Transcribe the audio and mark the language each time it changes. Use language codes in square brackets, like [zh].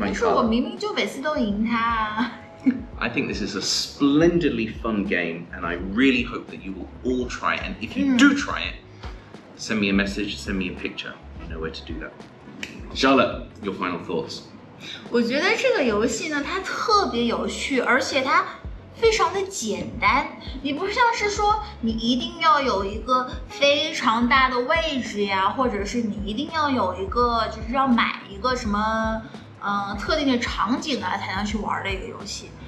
[zh] 但是我明明就每次都赢他啊。 [en] I think this is a splendidly fun game, and I really hope that you will all try it. And if you do try it, send me a message, send me a picture. You know where to do that. Charlotte, your final thoughts. [zh] 我觉得这个游戏呢，它特别有趣，而且它非常的简单，你不像是说你一定要有一个非常大的位置呀，或者是你一定要有一个就是要买一个什么特定的场景啊才能去玩的一个游戏。